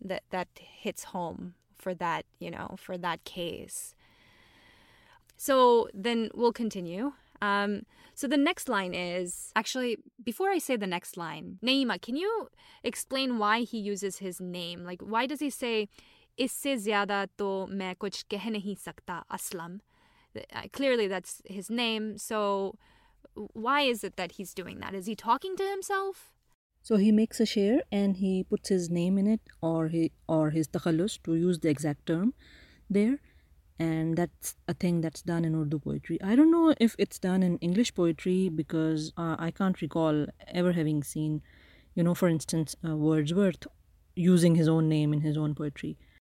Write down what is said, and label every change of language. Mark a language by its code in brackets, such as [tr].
[en] That hits home for that, you know, for that case. So then we'll continue. So the next line is, actually, before I say the next line, Naima, can you explain why he uses his name? Like, why does he say, [ur] اس سے زیادہ تو میں کچھ کہہ نہیں سکتا Aslam? [en] Clearly, that's his name. So why is it that he's doing that? Is he talking to himself? So he makes a share and he puts his name in it, or his takhallus, to use the exact term there. And that's a thing that's done in Urdu poetry. I don't know if it's done in English poetry, because I can't recall ever having seen, you know, for instance, Wordsworth using his own name in his own poetry.